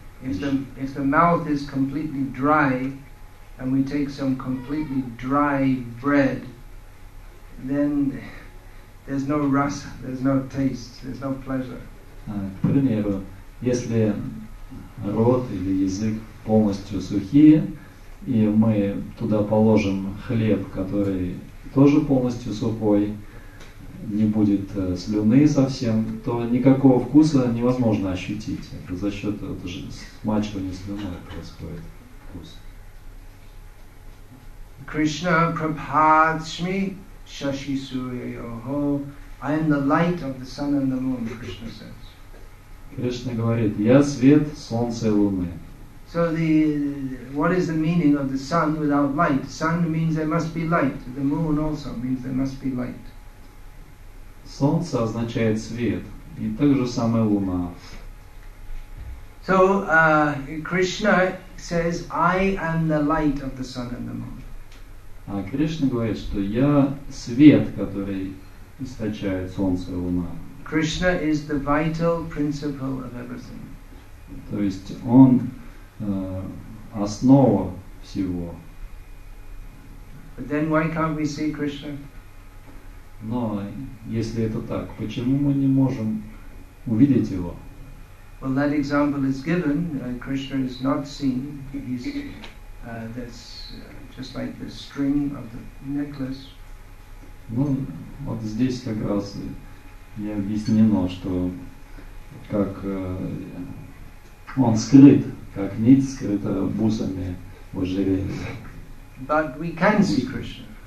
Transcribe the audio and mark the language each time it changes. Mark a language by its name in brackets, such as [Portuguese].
[English] If the mouth is completely dry, and we take some completely dry bread, then there's no rasa, there's no taste, there's no pleasure. [Russian] К примеру, если рот или язык полностью сухие, и мы туда положим хлеб, который тоже полностью сухой, не будет слюны совсем, то никакого вкуса невозможно ощутить. Это за счет смачивания слюной происходит вкус. [Sanskrit] Krishna prabhadshmi shashi surya yoho. [English] I am the light of the sun and the moon, Krishna says. [Russian] Кришна говорит: я свет солнца и луны. [English] So what is the meaning of the sun without light? Sun means there must be light. The moon also means there must be light. [Russian] Солнце означает свет, и так же самое луна. [English] So Krishna says, I am the light of the sun and the moon. [Russian] А Кришна говорит, что я свет, который источает солнце и луна. [English] Krishna is the vital principle of everything. [Russian] То есть он основа всего. [English] But then why can't we see Krishna? [Russian] Но если это так, почему мы не можем увидеть его? [English] Well, that example is given. Krishna is not seen. He's that's just like the string of the necklace. [Russian] Ну, вот здесь как раз и объяснено, что как он скрыт. Как нить скрыта бусами ожерелья. [English] But we can see Krishna.